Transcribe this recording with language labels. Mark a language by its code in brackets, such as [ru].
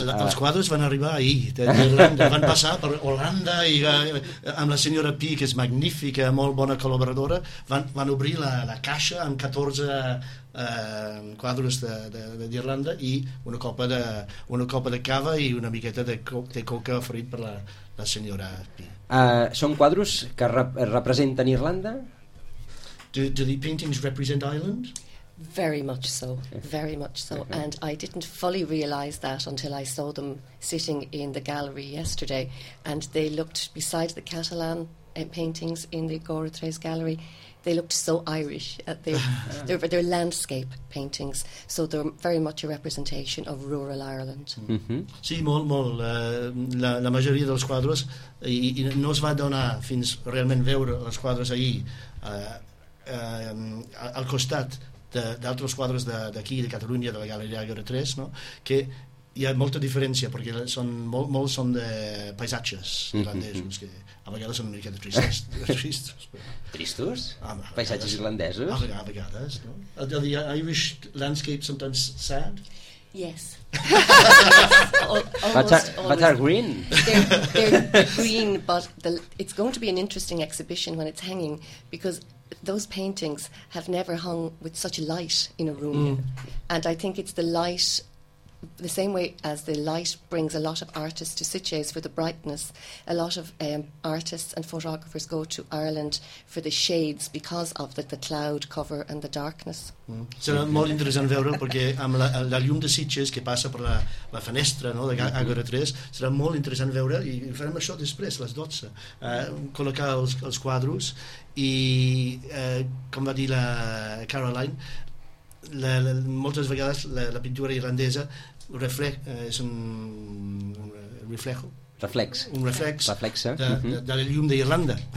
[ca] Els quadres van arribar ahir, d'Irlanda, van passar per Holanda i amb la senyora Pi, que és magnífica, molt bona col·laboradora, van obrir la caixa amb 14 quadres d'Irlanda i una copa de cava i una miqueta de coca oferit per la senyora Pi. Són quadres que representen Irlanda? [en] Do the paintings represent Ireland? Very much so, very much so. Mm-hmm. And I didn't fully realize that until I saw them sitting in the gallery yesterday. And they looked, besides the Catalan paintings in the Agora 3 gallery, they looked so Irish. They're landscape paintings, so they're very much a representation of rural Ireland. [ca] Mm-hmm. Sí, molt, molt. La majoria dels quadres, i no es va donar fins realment veure els quadres ahir al costat d'altres quadres d'aquí, de Catalunya, de la Galeria Agora 3, no? Que hi ha molta diferència, perquè són molt són de paisatges irlandesos, mm-hmm. que a vegades són una mica de tristos. Tristos? Paisatges irlandesos? A vegades, no? [en] The Irish landscape sometimes sad? Yes. but are green. They're green, but it's going to be an interesting exhibition when it's hanging, because those paintings have never hung with such light in a room. Mm. And I think it's the light, the same way as the light brings a lot of artists to Sitges for the brightness, a lot of artists and photographers go to Ireland for the shades because of the cloud cover and the darkness. Mm. [ca] Serà molt interessant veure'l, perquè amb la llum de Sitges que passa per la finestra, no, de Agora 3, serà molt interessant veure, i farem això després, a les 12, col·locar els quadros, i com va dir la Caroline, moltes vegades la pintura irlandesa és un reflex de la llum d'Irlanda.